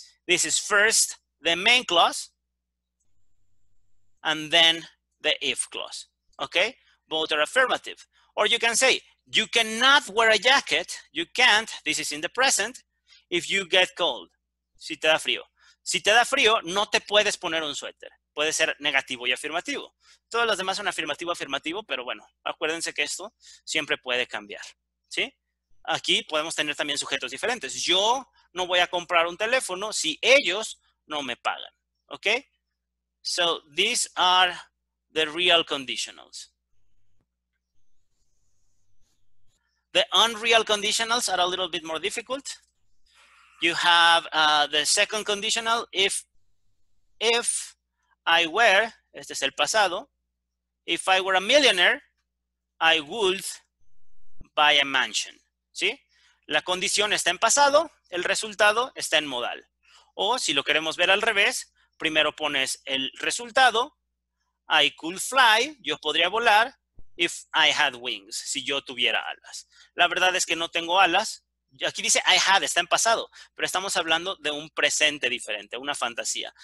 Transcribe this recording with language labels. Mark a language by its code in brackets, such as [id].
[en] This is first the main clause and then the if clause, okay? Both are affirmative. Or you can say, you cannot wear a jacket, you can't, this is in the present, if you get cold, [es] si te da frío. Si te da frío, no te puedes poner un suéter. Puede ser negativo y afirmativo. Todos los demás son afirmativo, afirmativo, pero bueno, acuérdense que esto siempre puede cambiar, ¿sí? Aquí podemos tener también sujetos diferentes. Yo no voy a comprar un teléfono si ellos no me pagan. [en] ¿Ok? So, these are the real conditionals. The unreal conditionals are a little bit more difficult. You have the second conditional. If I were, [es] este es el pasado. [en] If I were a millionaire, I would buy a mansion. [es] ¿Sí? La condición está en pasado, el resultado está en modal. O si lo queremos ver al revés, primero pones el resultado. [en] I could fly, [es] yo podría volar, [en] if I had wings, [es] si yo tuviera alas. La verdad es que no tengo alas. Aquí dice [en] I had, [es] está en pasado, pero estamos hablando de un presente diferente, una fantasía.